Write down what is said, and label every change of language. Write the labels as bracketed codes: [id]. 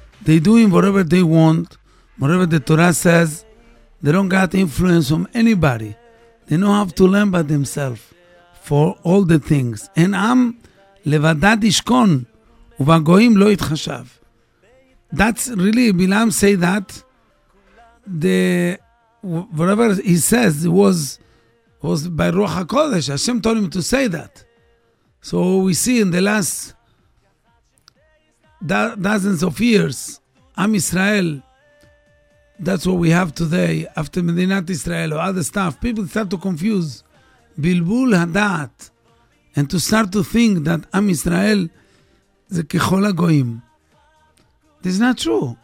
[en] They doing whatever they want, whatever the Torah says. They don't got influence from anybody. They don't have to learn by themselves for all the things. [he] And עם לבדד ישכון, ובגויים לא התחשב. [en] That's really, Bilam say that, the whatever he says was by Ruach HaKodesh. Hashem told him to say that. So we see in the last dozens of years, Am Israel, that's what we have today, after Medinat Israel or other stuff, people start to confuse Bilbul Hadat and to start to think that [he] Am Israel ze kechol ha-goyim. [en] This is not true.